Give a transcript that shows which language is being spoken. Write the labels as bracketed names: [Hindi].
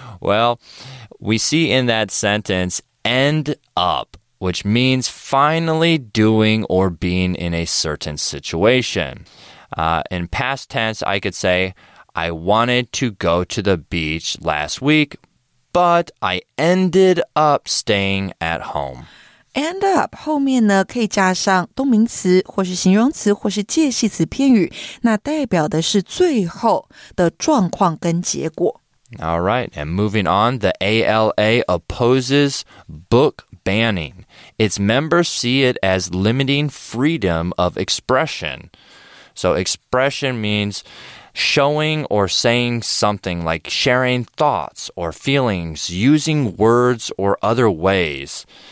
[English] Well, we see in that sentence, end up, which means finally doing or being in a certain situation. In past tense, I could say,I wanted to go to the beach last week, but I ended up staying at home. [Chinese] End up, 后面呢可以加上动名词或是形容词或是介系词片语，那代表的是最后的状况跟结果。 [English] All right, and moving on, the ALA opposes book banning. Its members see it as limiting freedom of expression. So expression means... showing or saying something like sharing thoughts or feelings, using words or other ways.